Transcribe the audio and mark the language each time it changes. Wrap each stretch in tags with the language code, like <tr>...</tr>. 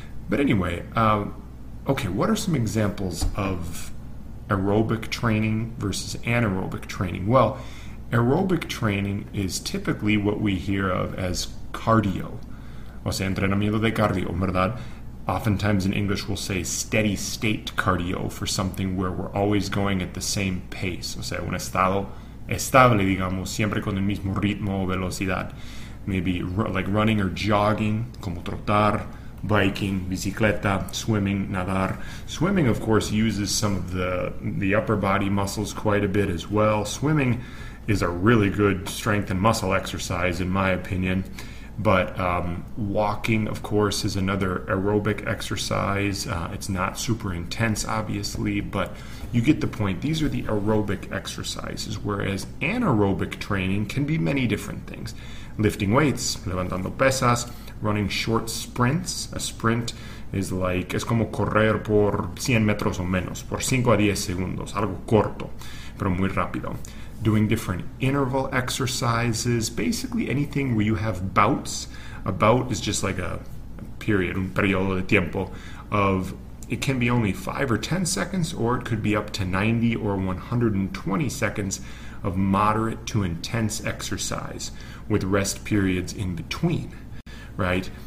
<en>But anyway, okay, what are some examples of aerobic training versus anaerobic training? Well, aerobic training is typically what we hear of as cardio.</en> <es>O sea, entrenamiento de cardio, ¿verdad?</es> <en>Oftentimes in English, we'll say steady state cardio for something where we're always going at the same pace.</en> <es>O sea, un estado estable, digamos, siempre con el mismo ritmo o velocidad.</es> <en>Maybe like running or jogging,</en> <es>como trotar,</es> <en>biking, bicicleta, swimming, nadar. Swimming, of course, uses some of the upper body muscles quite a bit as well. Swimming is a really good strength and muscle exercise, in my opinion. But walking, of course, is another aerobic exercise. It's not super intense, obviously, but you get the point. These are the aerobic exercises, whereas anaerobic training can be many different things. Lifting weights,</en> <es>levantando pesas,</es> <en>running short sprints. A sprint is like,</en> <es>es como correr por 100 metros o menos, por 5 a 10 segundos, algo corto, pero muy rápido.</es> <en>Doing different interval exercises, basically anything where you have bouts. A bout is just like a period,</en> <es>un periodo de tiempo,</es> <en>of it can be only 5 or 10 seconds, or it could be up to 90 or 120 seconds of moderate to intense exercise with rest periods in between, right?</en>